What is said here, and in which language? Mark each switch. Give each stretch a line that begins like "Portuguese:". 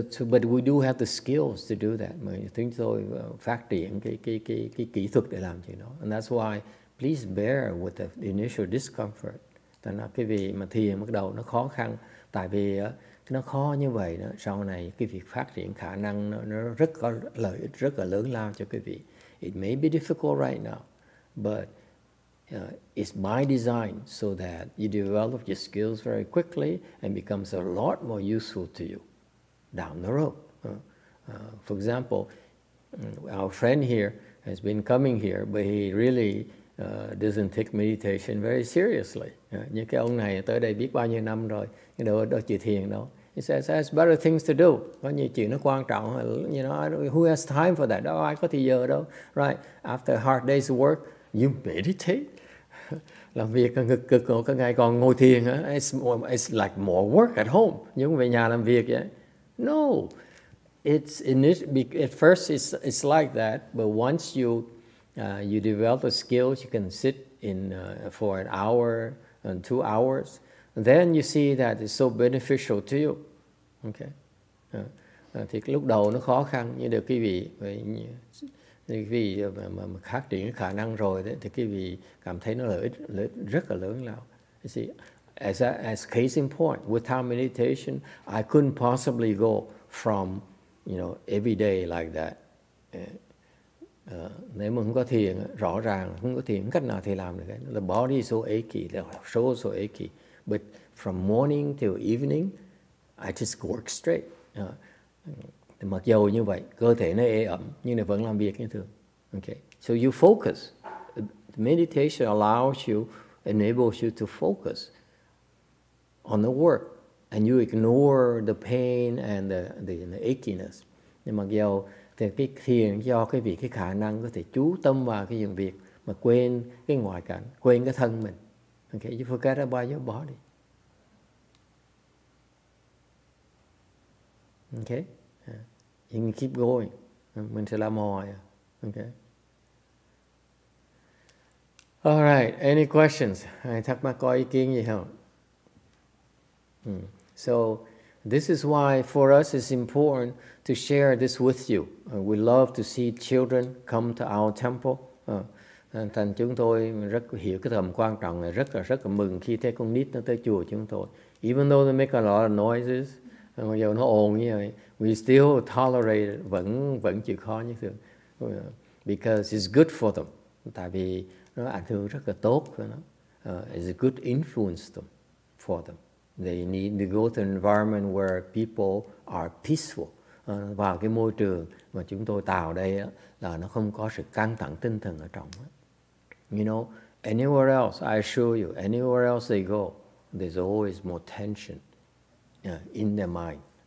English: But we do have the skills to do that.
Vietnamese: Chúng tôi phát triển cái kỹ thuật để làm chuyện đó.
English: And that's why, please bear with the initial discomfort.
Vietnamese: Tại là cái vị mà thiền bắt đầu nó khó khăn. Tại vì nó khó như vậy đó. Sau này cái việc phát triển khả năng nó rất có lợi ích, rất là lớn lao cho cái vị.
English: It may be difficult right now, but it's by design so that you develop your skills very quickly and becomes a lot more useful to you down the road. For example, our friend here has been coming here, but he really doesn't take meditation very seriously.
Vietnamese: Như cái ông này tới đây biết bao nhiêu năm rồi, nhưng đâu chịu thiền đâu.
English: He says, there's better things to do.
Vietnamese: Có nhiều chuyện nó quan trọng.
English: You know, who has time for that?
Vietnamese: Đâu ai có thời giờ đâu.
English: Right? After a hard day's work, you meditate.
Vietnamese: Làm việc ngực cực, có ngày còn ngồi thiền.
English: It's like more work at home.
Vietnamese: Nhưng về nhà làm việc vậy.
English: No, at first it's like that, but once you develop the skills, you can sit in for an hour and 2 hours, and then you see that it's so beneficial to you.
Vietnamese: Okay, thì lúc đầu nó khó khăn, nhưng được quý vị mà phát triển khả năng rồi đấy, thì quý vị cảm thấy nó lợi ích rất là lớn lao.
English: You see. As case in point, without meditation, I couldn't possibly go from, you know, every day like that.
Vietnamese: Nếu mà không có thiền, rõ ràng không có thiền, cách nào thì làm được.
English: The body is so achy, the soul is so achy. But from morning till evening, I just work straight.
Vietnamese: Mặc dù như vậy, cơ thể nó ê ẩm, nhưng vẫn làm việc như thường.
English: Okay. So you focus. Meditation enables you to focus on the work, and you ignore the pain and the achiness.
Vietnamese: Nhưng mà do thì cái thiền do cái việc cái khả năng có thể chú tâm vào cái dựng việc mà quên cái ngoại cảnh, quên cái thân mình.
English: Okay, you forget about your body. Okay, you can keep going.
Vietnamese: Mình sẽ làm hồi.
English: Okay. All right. Any questions?
Vietnamese: Ai thắc mắc có ý kiến gì không?
English: So this is why for us it's important to share this with you. We love to see children come to our temple.
Vietnamese: Thành chúng tôi rất hiểu cái tầm quan trọng này, rất là mừng khi thấy con nít nó tới chùa chúng tôi.
English: Even though they make a lot of noises,
Vietnamese: mặc dù nó ồn như vậy,
English: we still tolerate it,
Vietnamese: vẫn chịu khó như thường.
English: Because it's good for them.
Vietnamese: Tại vì nó ảnh hưởng rất là tốt cho nó.
English: It's a good influence them, for them. They need to go to an environment where people are peaceful.
Vietnamese: Vào cái môi trường mà chúng tôi tạo đây á, là nó không có sự căng thẳng tinh thần ở trong.
English: You know, anywhere else, I assure you, anywhere else they go, there's always more tension in their mind.